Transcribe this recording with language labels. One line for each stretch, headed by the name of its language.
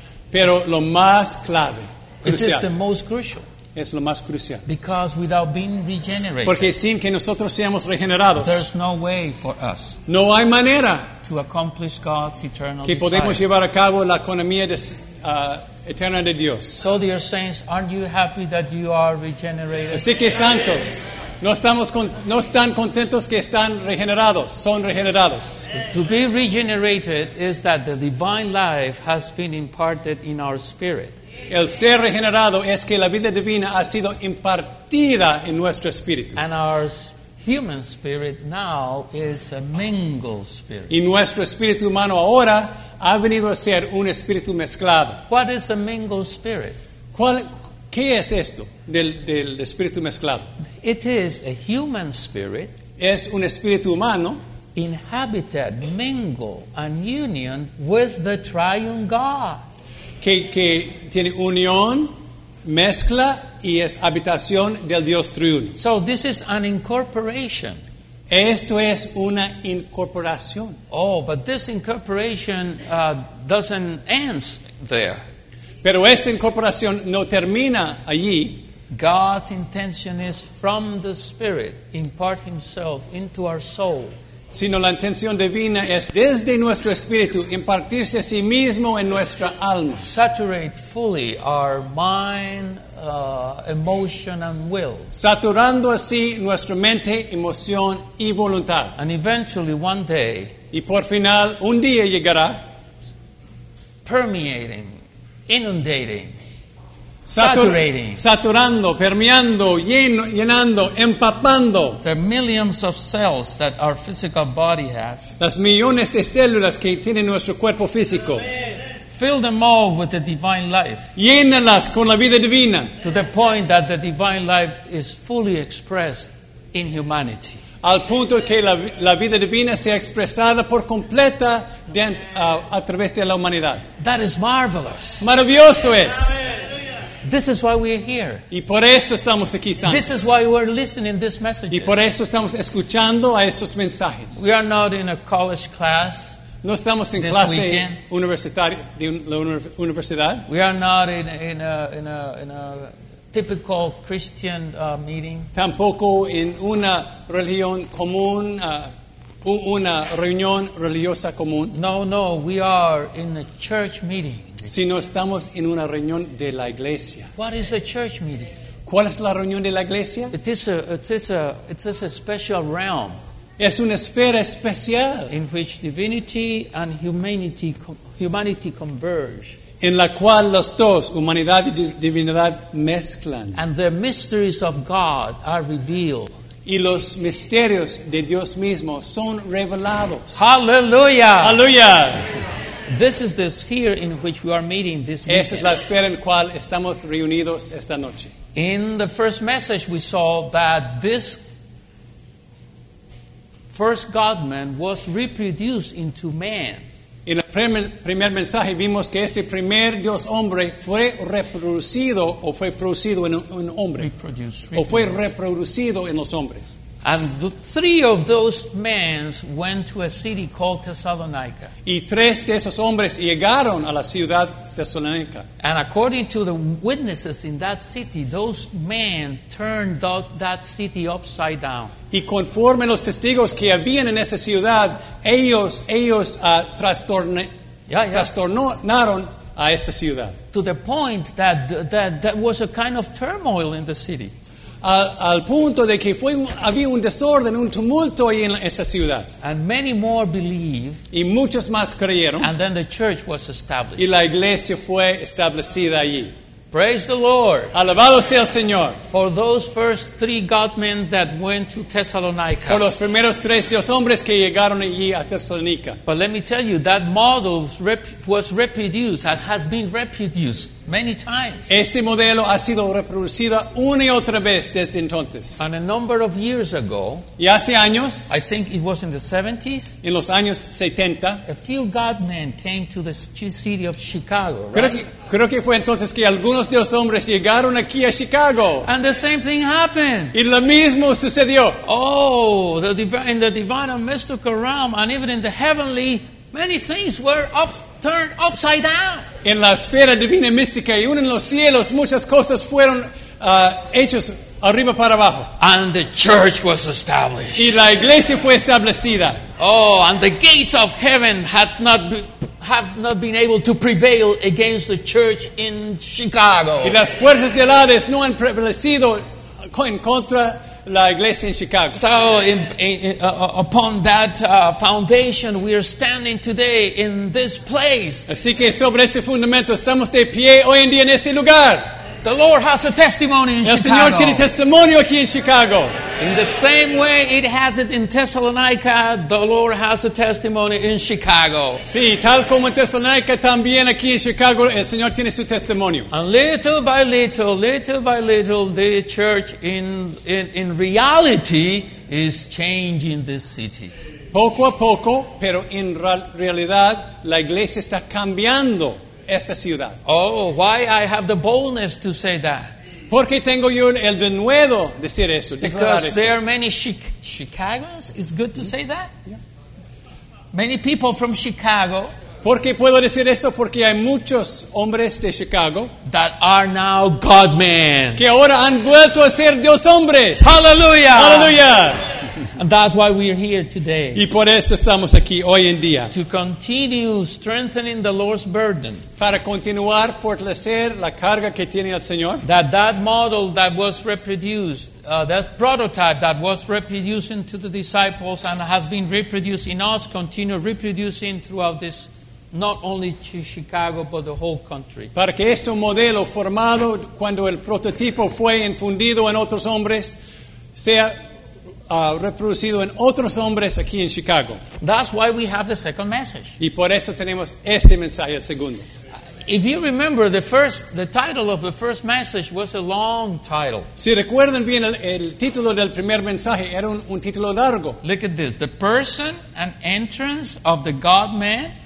Spanish: Pero lo más clave. Crucial.
English: It is the most crucial.
Spanish: Es lo más crucial.
English: Because without being regenerated,
Spanish: porque sin que nosotros seamos regenerados,
English: there's no way for us.
Spanish: No hay manera
English: to accomplish God's eternal
Spanish: que podemos
English: desire.
Spanish: Llevar a cabo la economía de, eterna de Dios.
English: So dear saints, aren't you happy that you are regenerated?
Spanish: Así que santos, no están contentos que están regenerados, son regenerados.
English: To be regenerated is that the divine life has been imparted in our spirit.
Spanish: El ser regenerado es que la vida divina ha sido impartida en nuestro espíritu.
English: And our human spirit now is a mingled spirit.
Spanish: Y nuestro espíritu humano ahora ha venido a ser un espíritu mezclado.
English: What is a mingled spirit?
Spanish: ¿Qué es esto del espíritu mezclado?
English: It is a human spirit.
Spanish: Es un espíritu humano.
English: Inhabited, mingled, and union with the triune God.
Spanish: Que tiene unión, mezcla y es habitación del Dios triuno.
English: So this is an incorporation.
Spanish: Esto es una incorporación.
English: Oh, but this incorporation doesn't end there.
Spanish: Pero esta incorporación no termina allí.
English: God's intention is from the Spirit impart himself into our soul.
Spanish: sino la intención divina es desde nuestro espíritu impartirse a sí mismo en nuestra alma.
English: Saturate fully our mind, emotion and will.
Spanish: Saturando así nuestra mente, emoción y voluntad.
English: And eventually one day,
Spanish: y por final un día llegará,
English: permeating, inundating, saturating,
Spanish: saturando, permeando, llenando, empapando
English: the millions of cells that our physical body has,
Spanish: las millones de células que tiene nuestro cuerpo físico.
English: Fill them all with the divine life.
Spanish: Llénalas con la vida divina.
English: To the point that the divine life is fully expressed in humanity.
Spanish: Al punto que la vida divina sea expresada por completa a través de la humanidad.
English: That is marvelous.
Spanish: Maravilloso es.
English: This is why we are here.
Spanish: Y por eso estamos aquí, santos.
English: This is why we are listening this message.
Spanish: Y por eso estamos escuchando a estos mensajes.
English: We are not in a college class.
Spanish: No estamos en
English: this
Spanish: clase
English: weekend.
Spanish: Universitaria de la universidad.
English: We are not in a typical Christian meeting.
Spanish: Tampoco en una religión común, una reunión religiosa común.
English: No, we are in a church meeting.
Spanish: Sino estamos en una reunión de la iglesia.
English: What is a church meeting?
Spanish: ¿Cuál es la reunión de la iglesia?
English: It is a special realm.
Spanish: Es una esfera especial.
English: In which divinity and humanity converge.
Spanish: En la cual los dos, humanidad y divinidad, mezclan.
English: And the mysteries of God are revealed.
Spanish: Y los misterios de Dios mismo son revelados.
English: Hallelujah! Hallelujah! This is the sphere in which we are meeting this weekend.
Spanish: Esa es la esfera en cual estamos reunidos esta noche.
English: In the first message we saw that this first God-man was reproduced into man.
Spanish: En el primer mensaje vimos que este primer Dios hombre fue reproducido o fue producido en un hombre.
English: Reproduced.
Spanish: O fue reproducido en los hombres.
English: And the three of those men went to a city called Thessalonica.
Spanish: Y tres de esos hombres llegaron a la ciudad Thessalonica.
English: And according to the witnesses in that city, those men turned that city upside down.
Spanish: Y conforme los testigos que habían en esa ciudad, ellos trastornaron a esta ciudad.
English: To the point that was a kind of turmoil in the city.
Spanish: Al punto de que había un desorden, un tumulto ahí en esa ciudad.
English: And many more believe,
Spanish: y muchos más creyeron.
English: And then the church was established.
Spanish: Y la iglesia fue establecida allí.
English: Praise the Lord.
Spanish: Alabado sea el Señor.
English: For those first three Godmen that went to Thessalonica.
Spanish: Por los primeros tres Dios hombres que llegaron allí a Thessalonica.
English: But let me tell you, that model was reproduced and has been reproduced many times.
Spanish: Este modelo ha sido reproducido una y otra vez desde entonces.
English: And a number of years ago.
Spanish: Y hace años.
English: I think it was in the 70s.
Spanish: En los años 70.
English: A few Godmen came to the city of Chicago.
Spanish: Creo que fue entonces que algunos de los hombres llegaron aquí a Chicago.
English: And the same thing happened.
Spanish: Y lo mismo sucedió.
English: Oh, in the divine and mystical realm, and even in the heavenly, many things were turned upside down.
Spanish: En la esfera divina y mística, y aún en los cielos, muchas cosas fueron hechas arriba para abajo.
English: And the church was established.
Spanish: Y la iglesia fue establecida.
English: Oh, and the gates of heaven have not been able to prevail against the church in Chicago.
Spanish: Y las puertas del Hades no han prevalecido en contra la iglesia en Chicago.
English: So upon that foundation we are standing today in this place.
Spanish: Así que sobre ese fundamento estamos de pie hoy en día en este lugar.
English: The Lord has a testimony in Chicago.
Spanish: El Señor tiene testimonio aquí en Chicago.
English: In the same way it has it in Thessalonica, the Lord has a testimony in Chicago.
Spanish: Sí, tal como en Thessalonica, también aquí en Chicago, el Señor tiene su testimonio.
English: And little by little, the church in reality is changing this city.
Spanish: Poco a poco, pero en realidad, la iglesia está cambiando.
English: Oh, why I have the boldness to say that?
Spanish: Porque tengo yo el denuedo de decir eso.
English: Because
Spanish: eso.
English: There are many Chicagoans. It's good to say that. Yeah. Many people from Chicago.
Spanish: Porque puedo decir eso porque hay muchos hombres de Chicago
English: that are now God men.
Spanish: Que ahora han vuelto a ser Dios hombres.
English: Hallelujah. Hallelujah. And that's why we are here today.
Spanish: Y por eso estamos aquí hoy en día.
English: To continue strengthening the Lord's burden.
Spanish: Para continuar fortalecer la carga que tiene el Señor.
English: That model that was reproduced, that prototype that was reproducing to the disciples and has been reproduced in us, continue reproducing throughout this, not only to Chicago, but the whole country.
Spanish: Para que este modelo formado cuando el prototipo fue infundido en otros hombres sea reproducido en otros hombres aquí en Chicago.
English: That's why we have the second message.
Spanish: Y por eso tenemos este mensaje, el segundo.
English: If you remember, the title of the first message was a long title.
Spanish: Si recuerdan bien, el título del primer mensaje era un título largo.
English: Look at this. The person and entrance of the God-man.